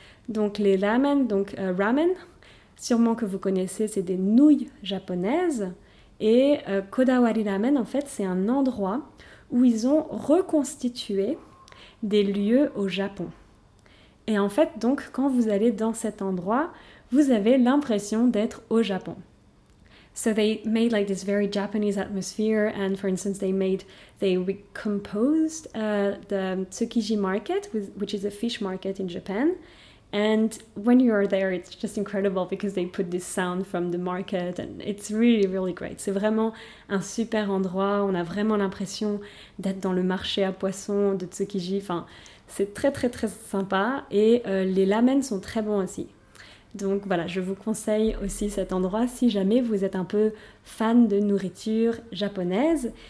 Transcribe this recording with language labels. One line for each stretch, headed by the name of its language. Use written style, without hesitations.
French: Donc les ramen, donc ramen, sûrement que vous connaissez, c'est des nouilles japonaises. Et Kodawari Ramen, en fait, c'est un endroit où ils ont reconstitué des lieux au Japon. Et en fait, donc, quand vous allez dans cet endroit, vous avez l'impression d'être au Japon.
English: So they made like this very Japanese atmosphere, and for instance, they recomposed the Tsukiji Market, which is a fish market in Japan. And when you are there, it's just incredible because they put this sound from the market, and it's really, really great.
French: C'est vraiment un super endroit. On a vraiment l'impression d'être dans le marché à poissons de Tsukiji. Enfin, c'est très, très, très sympa. Et les ramen sont très bons aussi. Donc voilà, je vous conseille aussi cet endroit si jamais vous êtes un peu fan de nourriture japonaise.